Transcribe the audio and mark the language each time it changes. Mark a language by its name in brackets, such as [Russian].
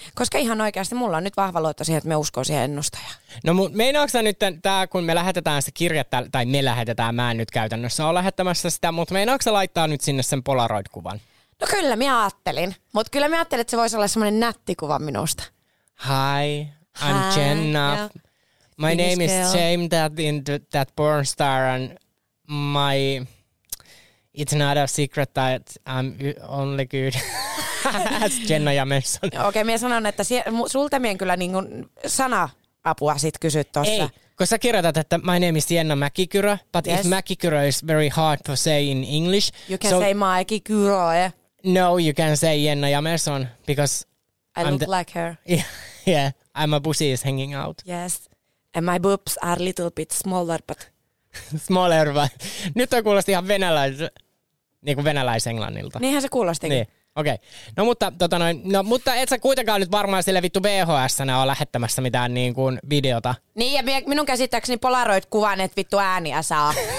[Finnish] Koska ihan oikeasti mulla on nyt vahva luotto siihen, että minä uskon siihen ennustajaan. No meinaatko sinä nyt tämä, kun me lähetetään se kirja, tai me lähetetään, mä en nyt käytännössä ole lähettämässä sitä, mutta meinaatko sinä laittaa nyt sinne sen Polaroid-kuvan? No kyllä minä ajattelin, mutta kyllä minä ajattelin, että se voisi olla semmoinen nätti kuva minusta. [English] Hi, I'm Jenna. Yeah. My name is Jane, that porn star, and my... It's not a secret that I'm only good as Jenna Jameson. [Finnish] Okei, minä sanon, että sulta minä kyllä niin kuin sana-apua sit kysyt tuossa. Ei, kun sä kirjoitat, että [English] my name is Jenna Mäkikyrö, but yes. If Mäkikyrö is very hard to say in English. You can say Mäkikyrö. No, you can say Jenna Jameson, because... I look like her. Yeah, my bussy is hanging out. Yes, and my boobs are a little bit smaller, but... Smaller, [Finnish] vai? Nyt toi kuulosti ihan venäläisenglannilta. Niinhän se kuulosti. Niin, okei. Okay. No mutta, mutta et sä kuitenkaan nyt varmaan sille vittu VHS-nä ole lähettämässä mitään niin kuin videota. Niin, ja minun käsittääkseni Polaroid-kuvan, että vittu ääniä saa.